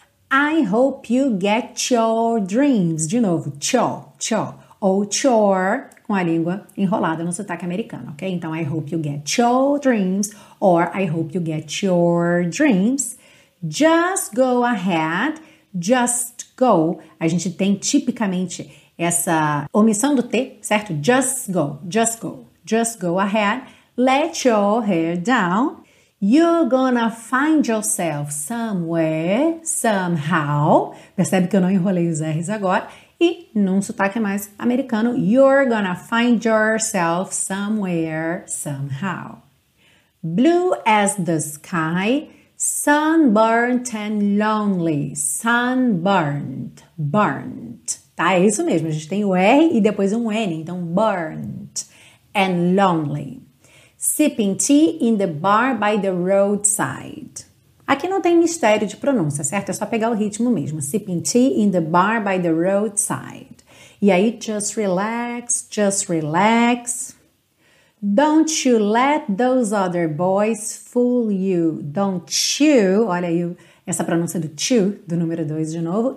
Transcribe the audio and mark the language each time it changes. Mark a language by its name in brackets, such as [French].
[English] I hope you get your dreams. De novo, chore, ou chore, [Portuguese] com a língua enrolada no sotaque americano, ok? Então, I hope you get your dreams, or I hope you get your dreams. [English] Just go ahead, just go. [Portuguese] A gente tem tipicamente essa omissão do T, certo? [English] Just go, just go, just go ahead. Let your hair down. You're gonna find yourself somewhere, somehow. [Portuguese] Percebe que eu não enrolei os R's agora. [English] E num sotaque mais americano, you're gonna find yourself somewhere, somehow. Blue as the sky, sunburnt and lonely, sunburnt, burnt. [Portuguese] Tá, é isso mesmo, a gente tem o R e depois um N, então burnt and lonely. [English] Sipping tea in the bar by the roadside. [Portuguese] Aqui não tem mistério de pronúncia, certo? É só pegar o ritmo mesmo. [English] Sipping tea in the bar by the roadside. E aí, just relax, just relax. Don't you let those other boys fool you. [Portuguese] Don't you, olha aí essa pronúncia do to, do número 2 de novo.